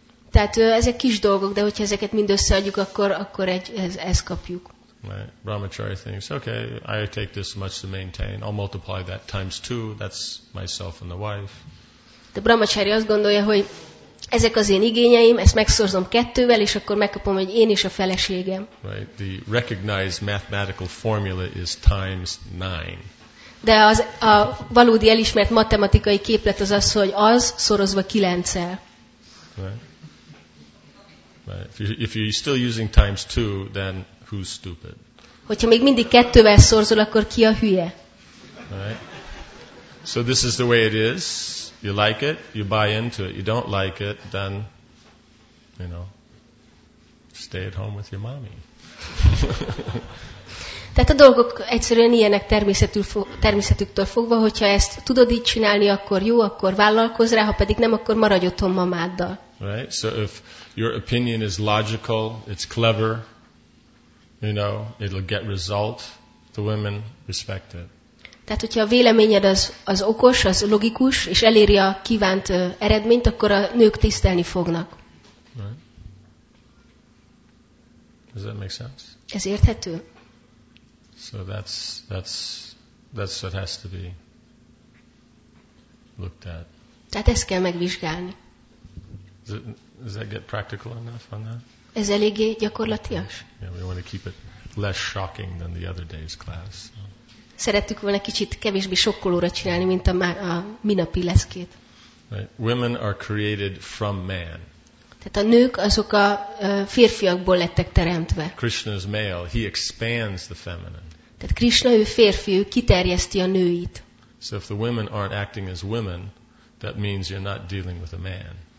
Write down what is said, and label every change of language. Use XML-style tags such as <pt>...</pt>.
<hu>Tehát ezek kis dolgok, de hogyha ezeket mind összeadjuk, akkor ezt kapjuk.</hu> <en>Right. Brahmachari thinks, okay, I take this much to maintain, I'll multiply that times two, that's myself and the wife.</en> <hu>De Brahmachari azt gondolja, hogy ezek az én igényeim, ezt megszorzom 2-vel, és akkor megkapom, hogy én és a feleségem.</hu> <en>Right. The recognized mathematical formula is times 9.</en> <hu>De a valódi elismert matematikai képlet az, hogy az szorozva 9-szel.</hu> <en>Right. Right. If you're still using times 2, then who's stupid?</en> <hu>Hogyha még mindig 2-vel szorzol, akkor ki a hülye?</hu> <en>Right. So this is the way it is. You like it, you buy into it. You don't like it, then, you know, stay at home with your mommy.</en> <hu>Tehát a dolgok egyszerűen ilyenek természetüktől fogva, hogyha ezt tudod így csinálni, akkor jó, akkor vállalkozz rá, ha pedig nem, akkor maradj otthon mamáddal.</hu> <en>Right? So if your opinion is logical, it's clever, you know, it'll get result, the women respect it.</en> <hu>Tehát, hogyha a véleményed az okos, az logikus, és eléri a kívánt eredményt, akkor a nők tisztelni fognak.</hu> <en>Right. Does that make sense?</en> <hu>Ez érthető?</hu> <en>So that's what has to be looked at.</en> <hu>Tehát ezt kell megvizsgálni.</hu> <en>Does that get practical enough on that?</en> <hu>Ez eléggé gyakorlatias?</hu> <en>Yeah, we want to keep it less shocking than the other day's class. So.</en> <hu>Szerettük volna kicsit kevésbé sokkolóra csinálni, mint a minapi leszkét.</hu> <en>Right. Women are created from man.</en> <hu>Tehát a nők azok a férfiakból lettek teremtve.</hu> <en>Krishna is male, he expands the feminine.</en> <hu>Tehát Krishna, ő férfi, ő kiterjeszti a nőit.</hu> <en>So if the women aren't acting as women, that means you're not dealing with a man.</en>